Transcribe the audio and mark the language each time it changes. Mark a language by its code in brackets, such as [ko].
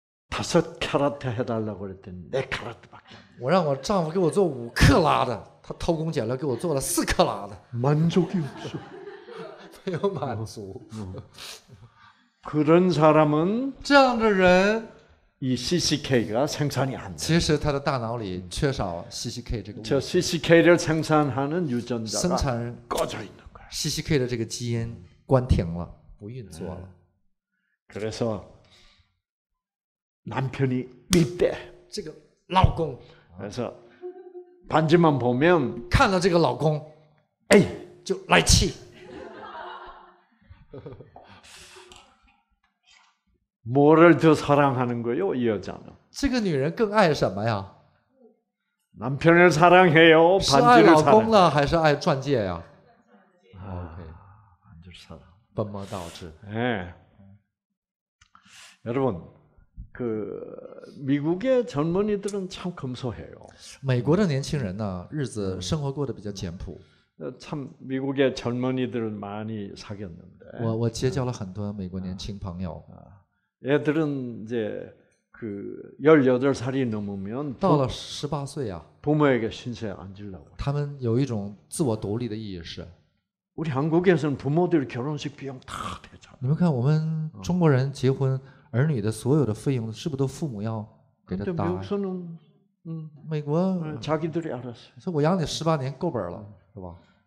[ko] 다섯카라트해달라고그랬더니네카라트밖에 [zh] 我让我丈夫给我做五克拉的他偷工减料给我做了四克拉的 [ko] 만족이없어 [zh] 没有满足 [ko] 그런사람은 [zh] 这样的人 [ko] 이 CCK 가생산이안돼 [zh] 其实他的大脑里缺少 CCK 这个物质 [ko] 저 CCK 를생산하는유전자가꺼져있는거야 [zh] CCK 的这个基因关停了不运作了 [ko] 그래서남편이미대 [zh] 这个老公 [ko] 그래서반지만보면 [zh] 看了这个老公 [ko] 에이 [zh] 就来气 [ko] 뭐를더사랑하는거요이여자는 [zh] 这个女人更爱什么呀 [ko] 남편을사랑해요반지를사랑 [zh] 是爱老公呢还是爱钻戒呀 [ko] 반지를사랑 [zh] 本末倒置 [ko] 여러분그미국의젊은이들은참검소해요 [zh] 美国的年轻人呢日子生活过得比较简朴 [ko] 참미국의젊은이들은많이사귀었는데 [zh] 我结交了很多美国年轻朋友 [ko] 애들은이제 그 18살이 넘으면 [zh] 到了18岁啊 [ko] 부모에게 신세 안 질라고. [zh] 他们有一种自我独立的意识。 [ko] 우리 한국에서는 부모들 결혼식 비용 다 대잖아. [zh] 你们看我们中国人结婚 儿女的所有的费用是不是都父母要给他打？ [ko] 미국에서는 [zh] 美国 [ko] 자기들이 알았어. 그래서 [zh] 我养你18年够本了，是吧？